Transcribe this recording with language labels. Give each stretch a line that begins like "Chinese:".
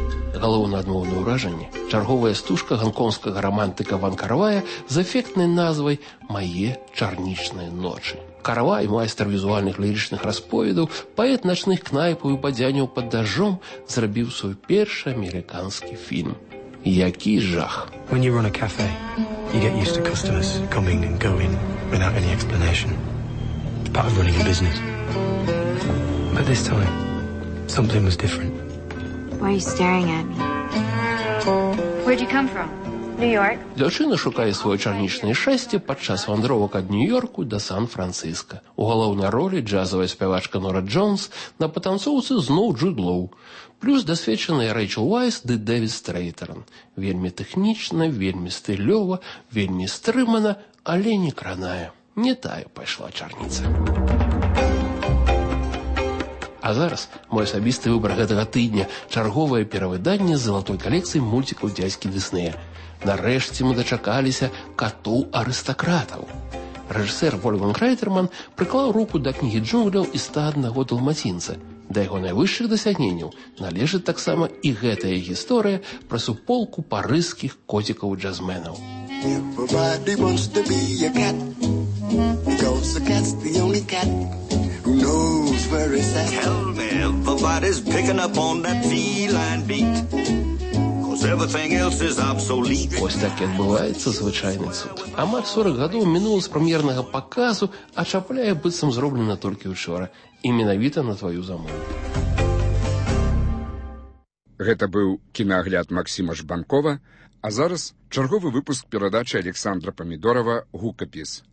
Belarusian: Галоўнае адмоўнае ўражанне. Чарговая стужка гонконгскага рамантыка Ван Карвая з эфектнай назвай «Мае чарнічныя ночы». Каравай, майстер візуальных лірычных расповедаў, паэт начных кнайпаў і бадзяняў пад дажджом, зрабіў свой першы амерыканскі фільм. Які жах.
English: When you run a cafe, you get used to customers coming and going without any explanation. It's part of running a business. But this time, something was different. Why are you staring at me? Where'd you come from?
Belarusian: Дзяўчына шукае свое чарнічнае шчасце падчас вандровак ад Нью-Йорку да Сан-Францыска. У галоўнай ролі джазавая спявачка Нора Джонс, на патанцоўцы зноў Джуд Лоу. Плюс дасвечаныя Рэйчэл Вайс ды Дэвід Стрэйтэрн. Вельмі тэхнічна, вельмі стылёва, вельмі стрымана, але не краная. Не тая пайшла чарніца. А зараз мой асабісты выбар гэтага тыдня – чарговае перавыданне з золотой калекцыі мультикаў дзядзькі Діснея. Нарэшце мы дачакаліся «Катоў-арыстакратаў». Рэжысэр Вольфганг Райтэрман прыклаў руку да кнігі джунгляў і 101 далматінца. Да яго найвышшых дасягненняў належыць таксама і гэтая гісторыя пра суполку парыжскіх коцікаў-джазменаў.
English: Everybody wants to be a cat, because a cat's the only cat who knows where it's at. Tell me everybody's picking up on that feline beat.
Belarusian: Ось так і адбываецца звычайны цуд. Амаль 40 гадоў мінула з прэм'ернага паказу, а чапляе быццам зроблена толькі ўчора. І менавіта на тваю замову. Гэта быў кінаагляд Максіма Жбанкова, а зараз чарговы выпуск перадачы Александра Памідорава «Гукапіс».